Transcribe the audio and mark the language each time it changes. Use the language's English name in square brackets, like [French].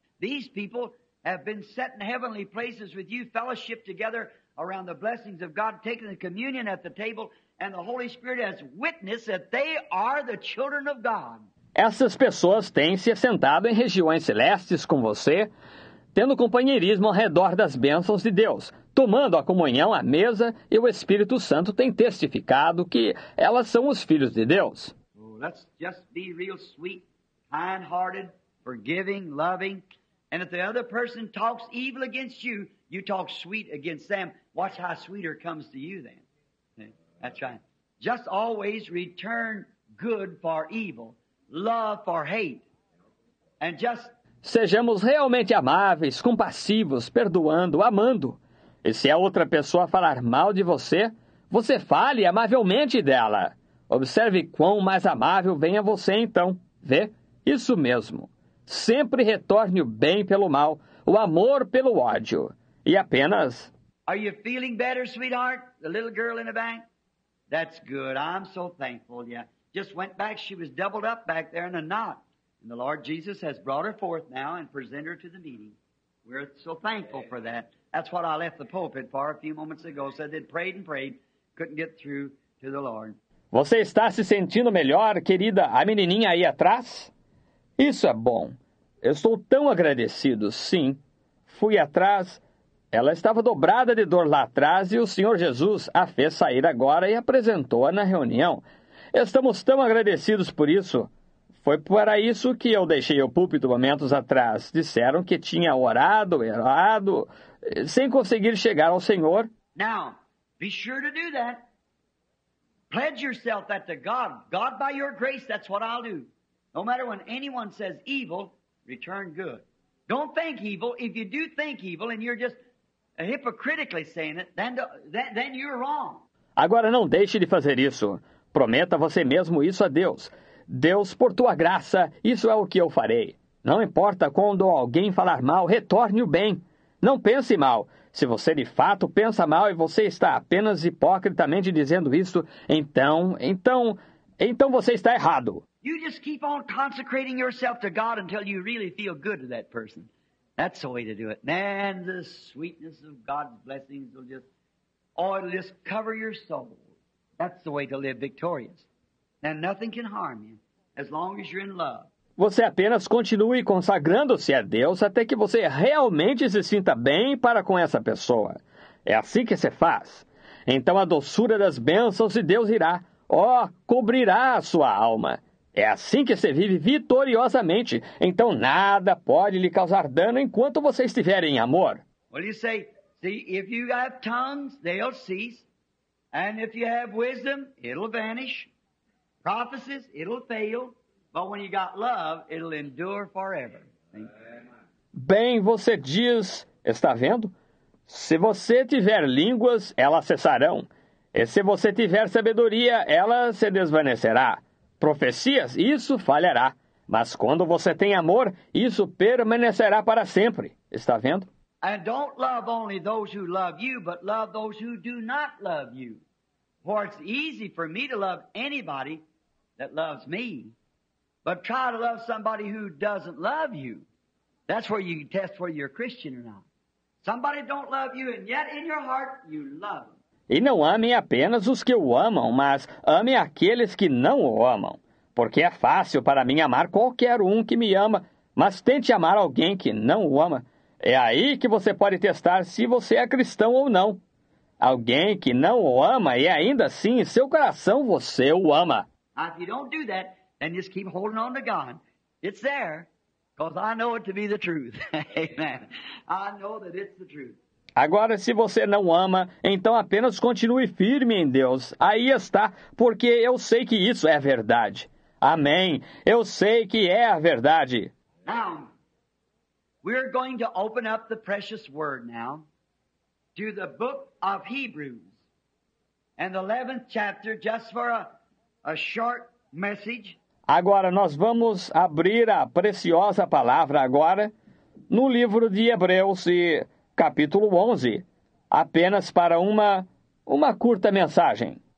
[English] These people have been set in heavenly places with you, fellowship together around the blessings of God, taking the communion at the table, and the Holy Spirit has witnessed that they are the children of God. [Portuguese] Essas pessoas têm se assentado em regiões celestes com você, tendo companheirismo ao redor das bênçãos de Deus, tomando a comunhão à mesa, e o Espírito Santo tem testificado que elas são os filhos de Deus. [English] Let's just be real sweet, kind-hearted, forgiving, loving. And if the other person talks evil against you, you talk sweet against them. Watch how sweeter comes to you then. That's right. Just always return good for evil, love for hate. And just... [Portuguese] Sejamos realmente amáveis, compassivos, perdoando, amando. E se a outra pessoa falar mal de você, você fale amavelmente dela. Observe quão mais amável vem a você então. Vê? Isso mesmo. Sempre retorne o bem pelo mal, o amor pelo ódio. E apenas... [English] Are you feeling better, sweetheart? The little girl in the back? That's good. I'm so thankful. Yeah. Just went back. She was doubled up back there in a knot. And the Lord Jesus has brought her forth now and presented her to the meeting. We're so thankful for that. That's what I left the pulpit for a few moments ago. Said they'd prayed and prayed. Couldn't get through to the Lord. [Portuguese] Você está se sentindo melhor, querida? A menininha aí atrás? Isso é bom. Eu estou tão agradecido, sim. Fui atrás. Ela estava dobrada de dor lá atrás e o Senhor Jesus a fez sair agora e apresentou-a na reunião. Estamos tão agradecidos por isso. Foi para isso que eu deixei o púlpito momentos atrás. Disseram que tinha orado, errado, sem conseguir chegar ao Senhor. [English] Now, be sure to do that. Pledge yourself that to God. God, by your grace, that's what I'll do. No matter when anyone says evil, return good. Don't think evil. If you do think evil and you're just hypocritically saying it, then you're wrong. [Portuguese] Agora não deixe de fazer isso. Prometa você mesmo isso a Deus. Deus, por tua graça, isso é o que eu farei. Não importa quando alguém falar mal, retorne o bem. Não pense mal. Se você de fato pensa mal e você está apenas hipocritamente dizendo isso, então você está errado. [English] You just keep on consecrating yourself to God until you really feel good to that person. That's the way to do it. And the sweetness of God's blessings will just, oh, it'll just cover your soul. That's the way to live victorious. And nothing can harm you as long as you're in love. [Portuguese] Você apenas continue consagrando-se a Deus até que você realmente se sinta bem para com essa pessoa. É assim que se faz. Então a doçura das bênçãos de Deus irá, cobrirá a sua alma. É assim que se vive vitoriosamente. Então nada pode lhe causar dano enquanto você estiver em amor. [English] Well, you say, see, if you have tongues, they'll cease. And if you have wisdom, it'll vanish. Prophecies, it'll fail. But when you got love, it'll endure forever. [Portuguese] Bem, você diz, está vendo? Se você tiver línguas, elas cessarão. E se você tiver sabedoria, ela se desvanecerá. Profecias, isso falhará. Mas quando você tem amor, isso permanecerá para sempre. Está vendo? [English] And don't love only those who love you, but love those who do not love you. For it's easy for me to love anybody that loves me, but try to love somebody who doesn't love you. That's where you can test whether you're Christian or not. Somebody don't love you, and yet in your heart you love them. [Portuguese] E não ame apenas os que o amam, mas ame aqueles que não o amam. Porque é fácil para mim amar qualquer um que me ama, mas tente amar alguém que não o ama. É aí que você pode testar se você é cristão ou não. Alguém que não o ama e ainda assim em seu coração você o ama. [English] Now, if you don't do that, then just keep holding on to God. It's there, because I know it to be the truth. Amen. I know that it's the truth. [Portuguese] Agora, se você não ama, então apenas continue firme em Deus. Aí está, porque eu sei que isso é verdade. Amém. Eu sei que é a verdade. [English] Now, we're going to open up the precious word now to the book of Hebrews and the 11th chapter just for a short message. [Portuguese] Agora, nós vamos abrir a preciosa palavra agora no livro de Hebreus e capítulo 11, apenas para uma curta mensagem.